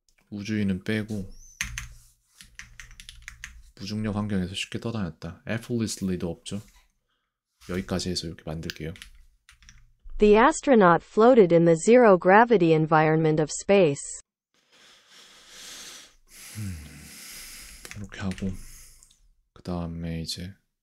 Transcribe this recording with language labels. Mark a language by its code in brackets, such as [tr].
[ko] 우주인은 빼고 무중력 환경에서 쉽게 떠다녔다. effortlessly도 없죠. 여기까지 해서 이렇게 만들게요. [en] The astronaut floated in the zero gravity environment of space. [ko] 이렇게 하고 그 다음에 이제